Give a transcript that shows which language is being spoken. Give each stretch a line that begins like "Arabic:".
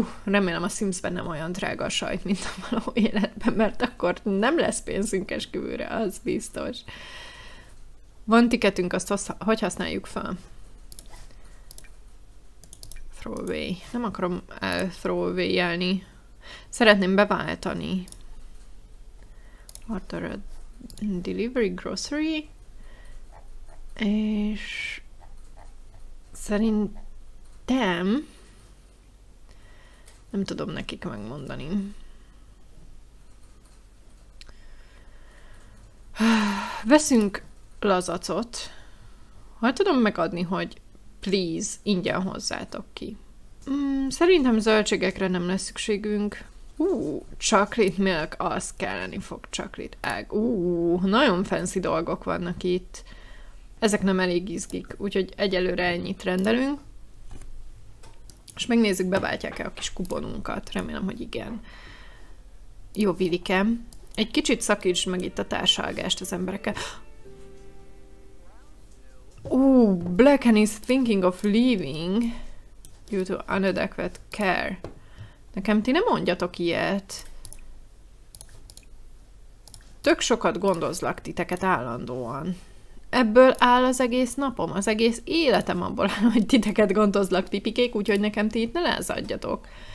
Hungarian: Remélem a Sims-ben nem olyan drága a sajt, mint a való életben, mert akkor nem lesz pénzünk esküvőre, az biztos. Van tiketünk, azt hogy használjuk fel?
English: Throwaway.
Hungarian: Nem akarom throwaway-elni. Szeretném beváltani.
English: Order a delivery grocery.
Hungarian: És szerint nem tudom nekik megmondani. Veszünk lazacot. Hol tudom megadni, hogy please, ingyen hozzátok ki. Szerintem zöldségekre nem lesz szükségünk.
English: Chocolate milk,
Hungarian: az kelleni fog,
English: chocolate egg.
Hungarian: Nagyon fancy dolgok vannak itt. Ezek nem elég izgik, úgyhogy egyelőre ennyit rendelünk. És megnézzük, beváltják-e a kis kuponunkat. Remélem, hogy igen. Jó, Vilike. Egy kicsit szakítsd meg itt a társalgást az embereket.
English: Blacken is thinking of leaving due to inadequate care.
Hungarian: Nekem ti nem mondjatok ilyet. Tök sokat gondozlak titeket állandóan. Ebből áll az egész napom, az egész életem abból áll, hogy titeket gondozlak, pipikék, úgyhogy nekem ti itt ne lázadjatok.